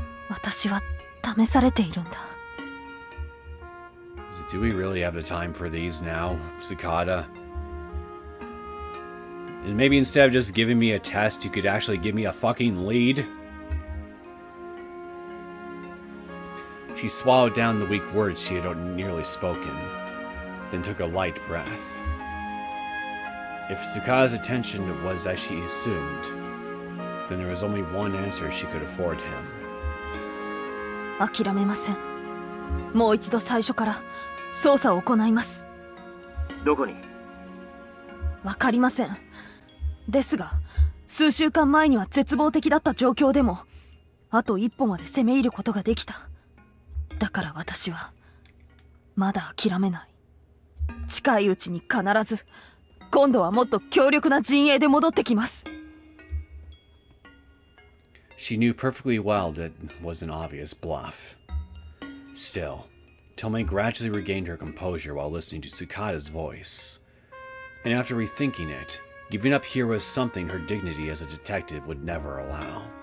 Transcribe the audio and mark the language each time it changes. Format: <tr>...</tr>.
<ja>私は試されているんだ。</ja> <en>Do we really have the time for these now, Tsukada? And maybe instead of just giving me a test, you could actually give me a fucking lead? She swallowed down the weak words she had nearly spoken, then took a light breath. If Tsukada's attention was as she assumed, then there was only one answer she could afford him.</en> <ja>諦めません。もう一度最初から捜査を行います。どこに? わかりません。ですが、数週間前には絶望的だった状況でも、あと一歩まで攻め入ることができた。だから私はまだ諦めない。近いうちに必ず、今度はもっと強力な陣営で戻ってきます。</ja> <en>She knew perfectly well that was an obvious bluff. Still, Tomoe gradually regained her composure while listening to Tsukada's voice. And after rethinking it, giving up here was something her dignity as a detective would never allow.</en>